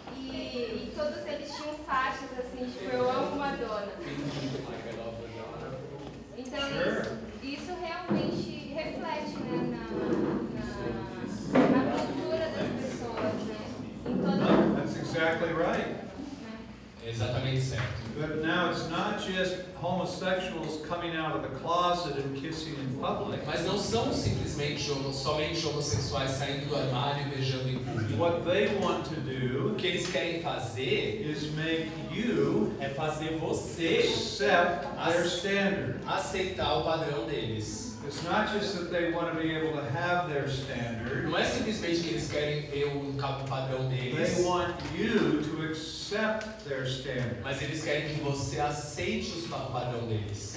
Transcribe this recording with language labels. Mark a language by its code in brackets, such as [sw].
[pt] E todos eles tinham faixas assim, tipo, eu amo Madonna. [en] Like I love Madonna. [pt] Então, [en] sure. [pt] Isso realmente reflete, né, na cultura das pessoas, né? Em todo mundo. [en] That's exactly right. [pt] Exatamente certo. [en] But now it's not just homosexuals coming out of the closet. closet and kissing in public. [pt] Mas não são simplesmente somente homossexuais saindo do armário e beijando em público. [en] What they want to do, [pt] o que eles querem fazer, [en] is make you, [pt] é fazer você [en] accept their standard, [pt] aceitar o padrão deles. [en] It's not just that they want to be able to have their standard. [pt] Não é simplesmente que eles querem ter o padrão deles. [en] They want you to accept their standard. [pt] Mas eles querem que você aceite o padrão deles.